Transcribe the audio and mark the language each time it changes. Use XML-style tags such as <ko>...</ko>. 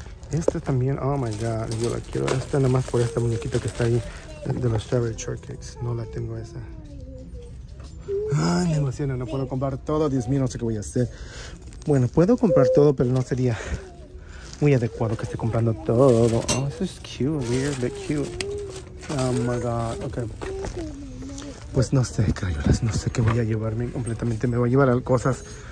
<es>Esta también,</es> <en>oh my god,</en> <es>yo la quiero. Esta nada más por esta muñequita que está ahí de los Strawberry Shortcakes. No la tengo esa. Ay, me emociona, no puedo comprar todo. Dios mío, no sé qué voy a hacer. Bueno, puedo comprar todo, pero no sería muy adecuado que esté comprando todo.</es> <en>Oh, this is cute, weird, but cute. Oh my god, ok.</en> <es>Pues no sé, crayolas, no sé qué voy a llevarme completamente. Me voy a llevar a cosas.</es>